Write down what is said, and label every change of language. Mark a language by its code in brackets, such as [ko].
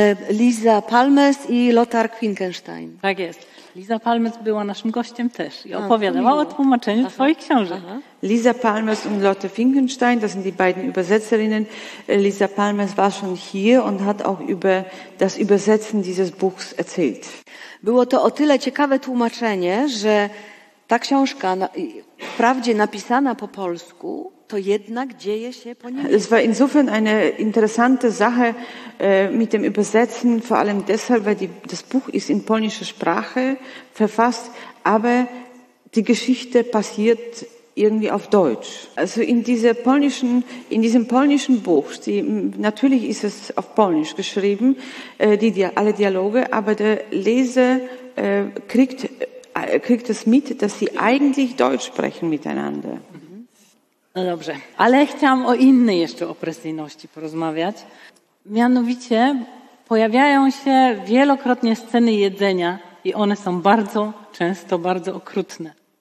[pl] Lisa Palmes i Lothar Finkenstein. Tak jest. Lisa Palmes była naszym gościem też i opowiadała o tłumaczeniu swoich książek. [de] Lisa Palmes und Lothar Finkenstein, das sind die beiden Übersetzerinnen. Lisa Palmes war schon hier und hat auch über das Übersetzen dieses Buchs erzählt. Było to o tyle ciekawe tłumaczenie, że ta książka, wprawdzie napisana po polsku, to jednak dzieje się po niemiecku. Es war insofern eine interessante Sache mit dem Übersetzen, vor allem deshalb, weil das Buch ist in polnischer Sprache verfasst, aber die Geschichte passiert irgendwie auf Deutsch. Also in diesem polnischen Buch, natürlich ist es auf Polnisch geschrieben, alle Dialoge, aber der Leser kriegt es mit, dass sie eigentlich Deutsch sprechen miteinander. [pl] No dobrze, ale chciałam o innej jeszcze opresyjności porozmawiać. Mianowicie pojawiają się wielokrotnie sceny jedzenia i one są bardzo często bardzo okrutne.